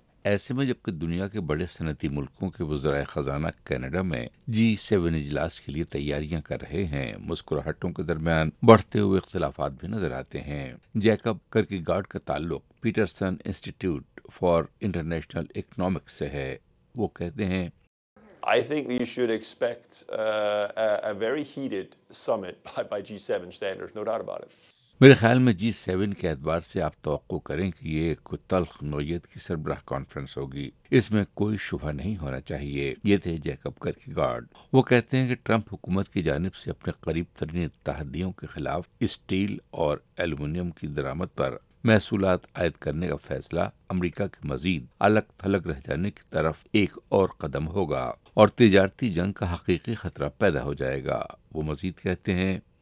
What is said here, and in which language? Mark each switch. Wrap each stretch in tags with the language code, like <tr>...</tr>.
<ur>ایسے میں جبکہ دنیا کے بڑے صنعتی ملکوں کے وزرائے خزانہ کینیڈا میں G7 اجلاس کے لیے تیاریاں کر رہے ہیں، مسکراہٹوں کے درمیان بڑھتے ہوئے اختلافات بھی نظر آتے ہیں۔ جیکب کرکیگارڈ کا تعلق Pietersen institute for international economics سے ہے، وہ کہتے ہیں</ur> <en>I think we should expect a very heated summit by G7 standards, no doubt about it.</en> <ur>میرے خیال میں G7 کے اعتبار سے آپ توقع کریں کہ یہ ایک تلخ نوعیت کی سربراہ کانفرنس ہوگی، اس میں کوئی شبہ نہیں ہونا چاہیے۔ یہ تھے جیکب کرکیگارڈ۔ وہ کہتے ہیں کہ ٹرمپ حکومت کی جانب سے اپنے قریب ترین اتحادیوں کے خلاف اسٹیل اور ایلومینیم کی درآمد پر محصولات عائد کرنے کا فیصلہ امریکہ کے مزید الگ تھلگ رہ جانے کی طرف ایک اور قدم ہوگا اور تجارتی جنگ کا حقیقی خطرہ پیدا ہو جائے گا۔ وہ مزید کہتے ہیں</ur>